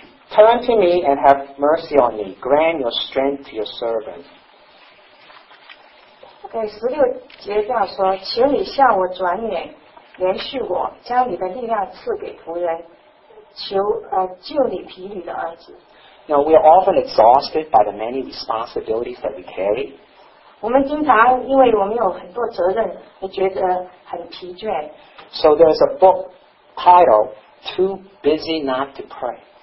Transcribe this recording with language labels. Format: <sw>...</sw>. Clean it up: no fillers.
<en>Turn to me and have mercy on me. Grant your strength to your servant.</en> <zh>Okay, 16节这样说，请你向我转脸，怜恤我，将你的力量赐给仆人，求救你疲累的儿子。</zh> <en>You know, we are often exhausted by the many responsibilities that we carry.</en> <zh>我们经常因为我们有很多责任，觉得很疲倦。</zh> <en>So there's a book titled "Too Busy Not to Pray."</en>